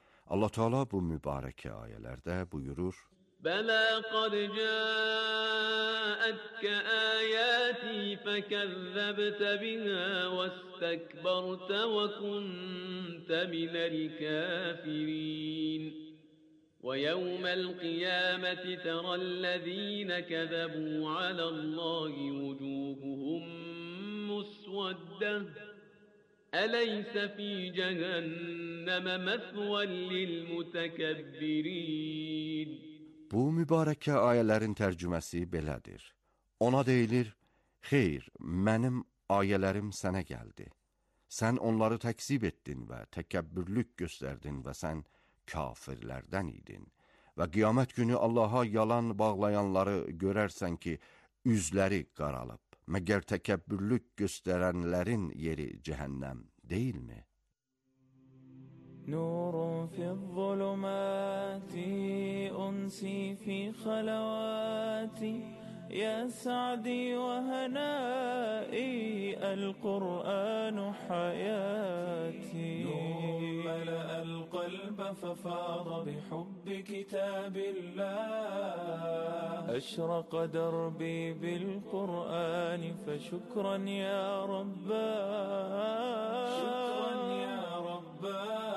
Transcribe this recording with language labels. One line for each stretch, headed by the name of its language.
Azerbaijani: Allah-u Teala bu mübarəkə ayələrdə buyurur:
Arabic: Bələ qad cəətkə ayəti fəkəzzəbtə binə və istəkbərtə və kuntə minəl kafirin. ويوم القيامة ترى الذين كذبوا على الله وجوههم مسودة أليس في جهنم مثوى للمتكبرين.
Azerbaijani: Bu mübarəkə ayələrin tərcüməsi belədir. Ona deyilir: Xeyr, mənim ayələrim sənə gəldi. Sən onları təkzib etdin və təkəbbürlük göstərdin və sən kafirlərdən idin və qiyamət günü Allaha yalan bağlayanları görərsən ki, üzləri qaralıb, məgər təkəbbürlük göstərənlərin yeri cəhənnəm deyilmi?
Arabic: Nurun fi zulümati, unsi fi xalavati, ya sa'di və hənai, əl-Qur'anu hayati. Nurun mələ əl-qalba, ففاض بحب كتاب الله أشرق دربي بالقرآن فشكرا يا ربا شكرا يا ربا